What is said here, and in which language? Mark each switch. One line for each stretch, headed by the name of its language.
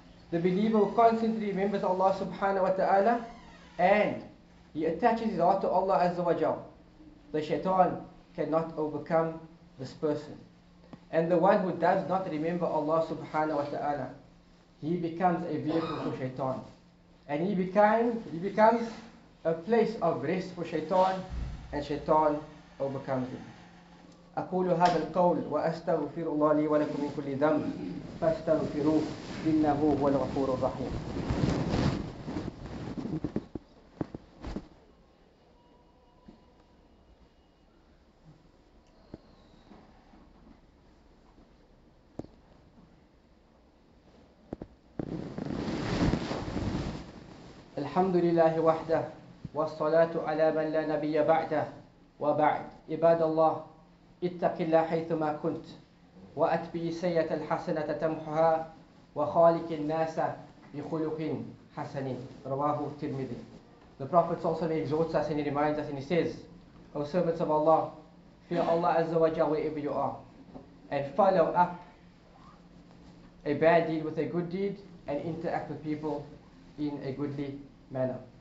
English: The believer who constantly remembers Allah subhanahu wa ta'ala and he attaches his heart to Allah azza wa jal, the shaitan cannot overcome this person. And the one who does not remember Allah subhanahu wa ta'ala, he becomes a vehicle for shaitan. And he becomes a place of rest for shaitan, and shaitan overcomes him.
Arabic: أقول هذا القول وأستغفر الله لي ولكم من كل ذنب فاستغفروه إنه هو الغفور الرحيم. الحمد لله وحده والصلاة على من لا نبي بعده وبعد عباد الله اتق الله حيثما كنت وأتبع سيئة الحسنة تمحها وخالق الناس بخلق حسن رواه الترمذي.
English: The Prophet exhorts us and he reminds us and he says, O servants of Allah, fear Allah Azza wa Jalla wherever you are, and follow up a bad deed with a good deed and interact with people in a goodly manner.